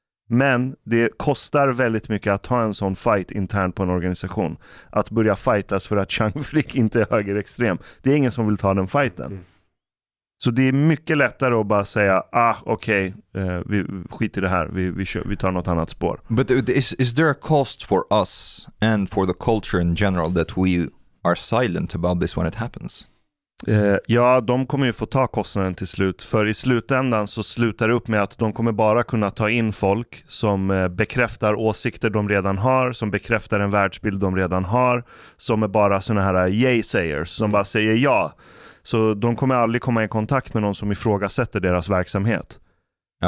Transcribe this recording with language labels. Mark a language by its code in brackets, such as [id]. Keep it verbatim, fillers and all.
[sv] Men det kostar väldigt mycket att ha en sån fight internt på en organisation. Att börja fightas för att Chang Frick inte är högerextrem. Det är ingen som vill ta den fighten. Mm. Så det är mycket lättare att bara säga, ah, okej, okay, uh, vi skiter i det här, vi, vi, kör, vi tar något annat spår. [en] But is, is there a cost for us and for the culture in general that we are silent about this when it happens? [sv] Eh, ja, de kommer ju få ta kostnaden till slut. För i slutändan så slutar det upp med att de kommer bara kunna ta in folk som eh, bekräftar åsikter de redan har, som bekräftar en världsbild de redan har, som är bara såna här yay-sayers som bara säger ja. Så de kommer aldrig komma i kontakt med någon som ifrågasätter deras verksamhet. Ja.